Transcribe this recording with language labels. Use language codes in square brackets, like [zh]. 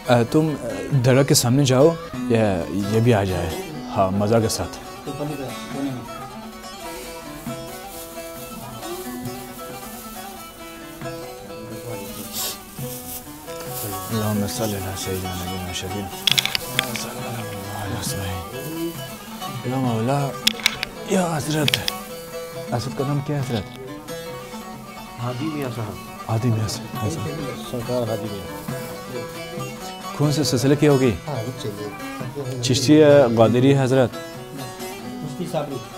[ur] تم درگاہ کے سامنے جاؤ، یہ بھی آ جائے. ہاں مزہ کے ساتھ. [ar] اللهم صل على سيدنا نبينا شفيعنا وعلى اسمه. [ur] يا مولا يا حضرت، حضرت کا نام کیا ہے حضرت؟ حادی میاں صاحب. حادی میاں صاحب، سرکار حادی میاں. کون سے سلسلے کی ہوگی؟ چشتی قادری حضرت. چشتی صاحب.